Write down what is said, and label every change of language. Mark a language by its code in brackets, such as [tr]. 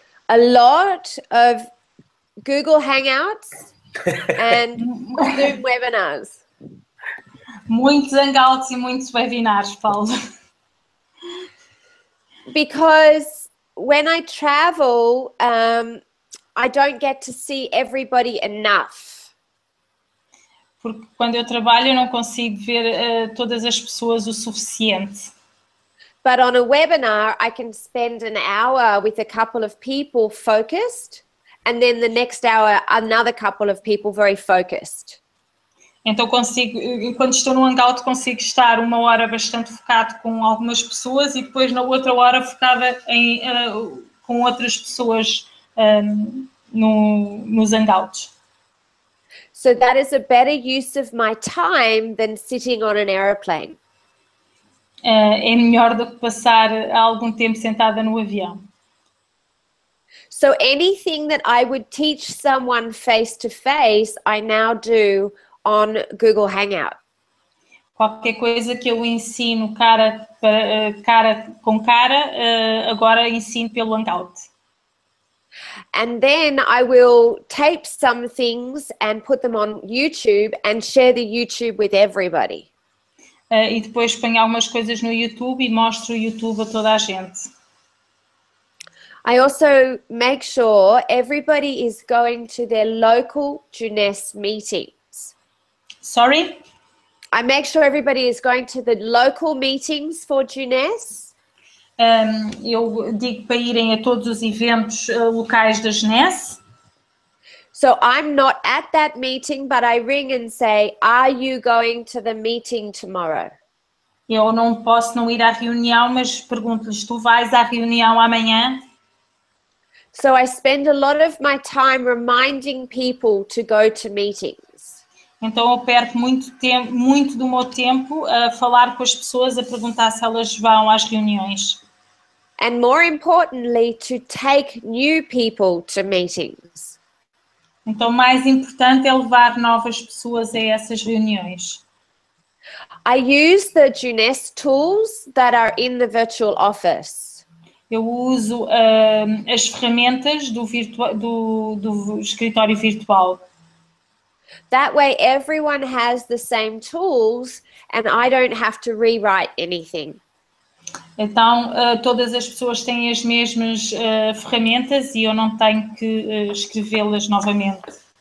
[en] A lot of Google Hangouts and Zoom webinars. [pt] Muitos Hangouts e muitos webinars, Paula. [en] Because when I travel, I don't get to see everybody enough. [pt] Porque quando eu trabalho, eu não consigo ver todas as pessoas o suficiente. [en] But on a webinar, I can spend an hour with a couple of people focused, and then the next hour, another couple of people very focused. [pt] Então consigo, quando estou no Hangout, consigo estar uma hora bastante focado com algumas pessoas e depois na outra hora focada em, com outras pessoas. Nos Hangouts. [en] So that is a better use of my time than sitting on an aeroplane. [pt] É melhor do que passar algum tempo sentada no avião. [en] So anything that I would teach someone face to face, I now do on Google Hangout. [pt] Qualquer coisa que eu ensino cara com cara, agora ensino pelo Hangout. [en] And then I will tape some things and put them on YouTube and share the YouTube with everybody. [pt] E depois ponho algumas coisas no YouTube e mostro o YouTube a toda a gente. [en] I also make sure everybody is going to their local Juness meetings. Sorry? I make sure everybody is going to the local meetings for Juness. [pt] Eu digo para irem a todos os eventos locais da Juness. [en] So I'm not at that meeting, but I ring and say, are you going to the meeting tomorrow? [pt] Eu não posso não ir à reunião, mas pergunto-lhes, tu vais à reunião amanhã? [en] So I spend a lot of my time reminding people to go to meetings. [pt] Então eu perco muito do meu tempo a falar com as pessoas, a perguntar se elas vão às reuniões. [en] And more importantly, to take new people to meetings. [pt] Então, mais importante é levar novas pessoas a essas reuniões. [en] I use the Juness tools that are in the virtual office. [pt] Eu uso as ferramentas do escritório virtual. [en] That way everyone has the same tools and I don't have to rewrite anything. [pt] Então, todas as pessoas têm as mesmas ferramentas e eu não tenho que escrevê-las novamente.